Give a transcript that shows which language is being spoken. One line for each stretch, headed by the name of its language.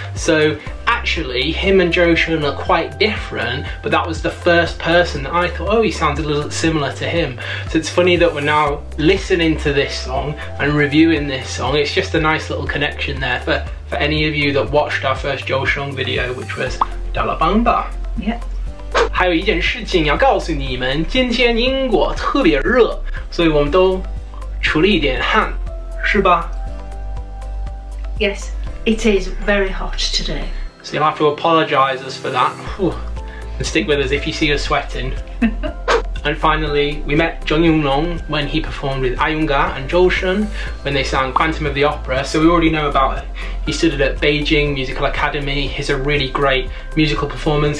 English: So actually, him and Zhou Shen are quite different, but that was the first person that I thought, oh, he sounds a little similar to him. So it's funny that we're now listening to this song and reviewing this song. It's just a nice little connection there for any of you that watched our first Zhou Shen video, which was Dalabangba. Yeah.
Chinese: 还有一件事情要告诉你们，今天英国特别热，所以我们都出了一点汗，是吧？
English: Yes, it is very hot today. So you'll have to apologise us for that. Whew. And stick with us if you see us sweating. And finally, we met Zhou Yun Long when he performed with Ayunga and Zhou Shen when they sang Phantom of the Opera, so we already know about it. He studied at Beijing Musical Academy. He's a really great musical performance.